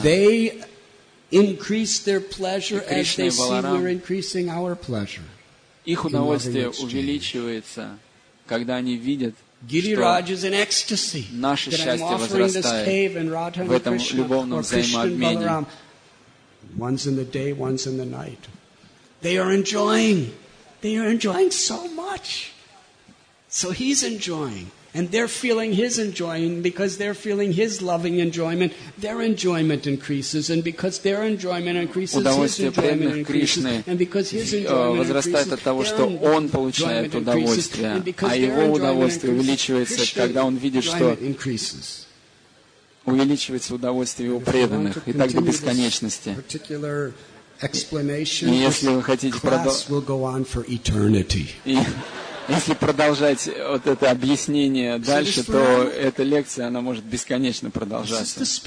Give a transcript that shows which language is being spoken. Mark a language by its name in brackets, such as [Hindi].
[English] they increase their pleasure as they see we're increasing our pleasure. [Russian] Их удовольствие увеличивается, когда они видят, [English] Giriraj is in ecstasy. [Russian] Наше счастье возрастает в этом любовном взаимообмене. [English] One's in the day, one's in the night. They are enjoying. They are enjoying so much. So he's enjoying. And they're feeling his enjoying. Because they're feeling his loving enjoyment, their enjoyment increases. And because their enjoyment increases, his enjoyment increases. And because his enjoyment increases, their enjoyment increases. And because their enjoyment increases, Krishna's enjoyment increases. [Russian] Увеличивается удовольствие его преданных, и так до бесконечности. И если вы хотите продолжать вот это объяснение дальше, то эта лекция, она может бесконечно продолжаться.